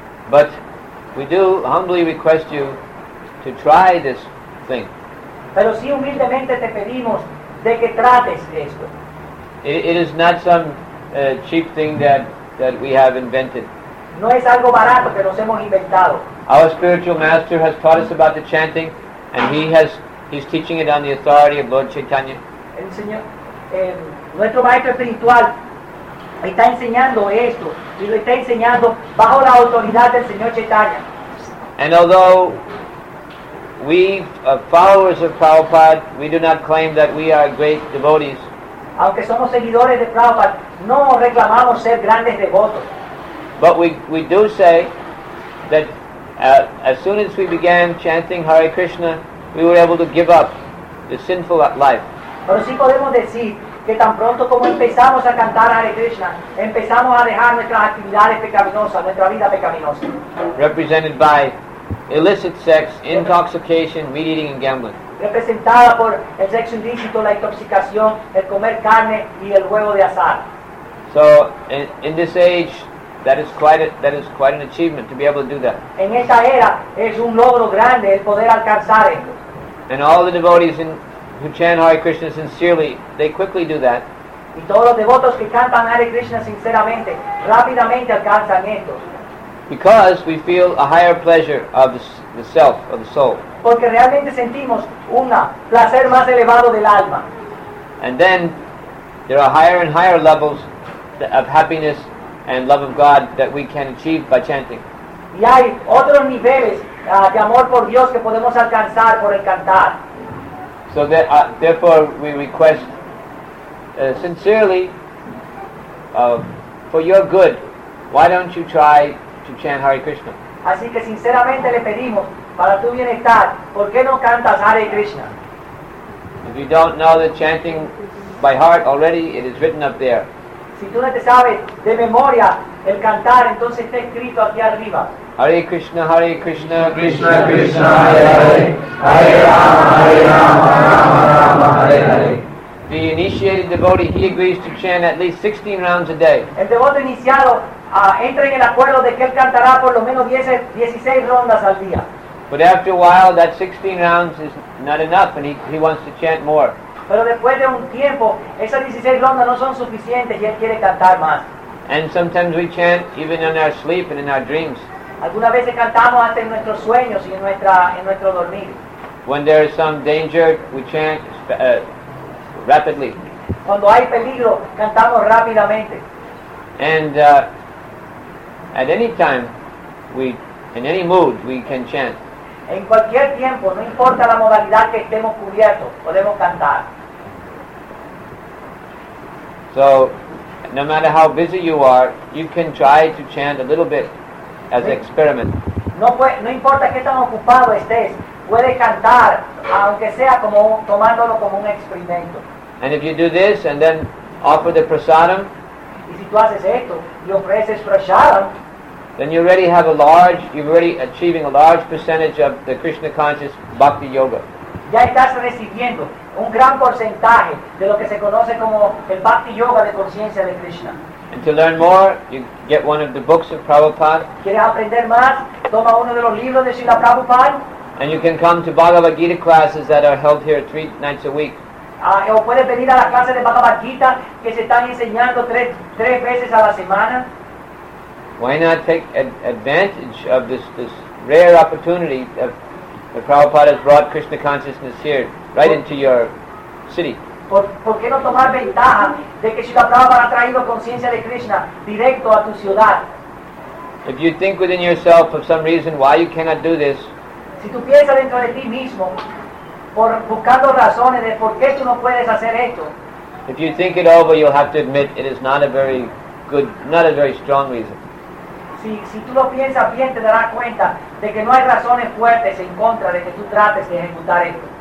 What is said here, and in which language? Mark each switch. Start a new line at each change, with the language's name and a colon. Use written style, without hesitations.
English: But we do humbly request you to try this thing.
Spanish: Pero sí humildemente te pedimos de que trates esto.
English: It is not some cheap thing that we have invented.
Spanish: No es algo barato que nos hemos inventado.
English: Our spiritual master has taught us about the chanting, and he's teaching it on the authority of Lord Chaitanya.
Spanish: El señor, nuestro maestro espiritual está enseñando esto y lo está enseñando bajo la autoridad del señor Chaitanya.
English: And although we are followers of Prabhupada, we do not claim that we are great devotees.
Spanish: Aunque somos seguidores de Prabhupada, no reclamamos ser grandes devotos.
English: But we do say that as soon as we began chanting Hare Krishna, we were able to give up the sinful life.
Spanish: Pero sí podemos decir que tan pronto como empezamos a cantar Hare Krishna, empezamos a dejar nuestras actividades pecaminosas, nuestra vida pecaminosa.
English: Represented by illicit sex, intoxication, meat eating and gambling.
Spanish: Representada por el sexo ilícito, la intoxicación, el comer carne y el juego de azar.
English: So in this age, that is quite an achievement to be able to do that.
Spanish: En esta era es un logro grande el poder alcanzar esto.
English: And all the devotees who chant Hare Krishna sincerely, they quickly do that.
Spanish: Y todos los devotos que cantan Hare Krishna sinceramente, rápidamente alcanzan esto.
English: Because we feel a higher pleasure of the self, of the soul.
Spanish: Porque realmente sentimos un placer más elevado del alma.
English: And then there are higher and higher levels of happiness and love of God that we can achieve by chanting.
Spanish: Y hay otros niveles de amor por Dios que podemos alcanzar por el cantar.
English: So that, therefore, we request sincerely for your good. Why don't you try to chant Hare Krishna?
Spanish: Así que sinceramente le pedimos para tu bienestar, ¿por qué no cantas Hare Krishna?
English: If you don't know the chanting by heart already, it is written up there.
Spanish: Si tú no te sabes de memoria el cantar, entonces está escrito aquí arriba.
Sanskrit: Hare Krishna, Hare Krishna, Krishna Krishna, Hare Hare, Hare Rama, Hare Rama, Rama Rama, Hare Hare.
English: The initiated devotee, he agrees to chant at least 16 rounds a day.
Spanish: El devoto iniciado entra en el acuerdo de que él cantará por lo menos 16 rondas al día.
English: But after a while, that 16 rounds is not enough, and he wants to chant more.
Spanish: Pero después de un tiempo, esas 16 rondas no son suficientes y él quiere cantar más.
English: And sometimes we chant even in our sleep and in our dreams.
Spanish: Algunas veces cantamos hasta en nuestros sueños y en nuestro dormir.
English: When there is some danger, we chant rapidly.
Spanish: Cuando hay peligro, cantamos rápidamente.
English: And at any time, in any mood, we can chant.
Spanish: En cualquier tiempo, no importa la modalidad que estemos cubiertos, podemos cantar.
English: So, no matter how busy you are, you can try to chant a little bit as an experiment.
Spanish: No importa qué tan ocupado estés, puedes cantar, aunque sea como tomándolo como un experimento.
English: And if you do this and then offer the prasadam,
Spanish: y si tú haces esto y ofreces prasadam,
English: then you already have you're already achieving a large percentage of the Krishna conscious bhakti yoga.
Spanish: Ya estás recibiendo un gran porcentaje de lo que se conoce como el bhakti yoga de conciencia de Krishna.
English: And to learn more, you get one of the books of Prabhupada.
Spanish: ¿Quieres aprender más? Toma uno de los libros de Srila Prabhupada.
English: And you can come to Bhagavad Gita classes that are held here 3 nights a week.
Spanish: O puedes venir a las clases de Bhagavad Gita que se están enseñando 3 veces a la semana.
English: Why not take advantage of this rare opportunity that Prabhupada has brought Krishna consciousness here, right into your city?
Spanish: ¿Por qué no tomar ventaja de que Srila Prabhupada ha traído conciencia de Krishna directo a tu ciudad?
English: If you think within yourself of some reason why you cannot do this,
Spanish: si tú piensas dentro de ti mismo, por buscando razones de por qué tú no puedes hacer esto,
English: if you think it over, you'll have to admit it is not a very good, not a very strong reason.
Spanish: Si tú lo piensas bien, te darás cuenta de que no hay razones fuertes en contra de que tú trates de ejecutar esto.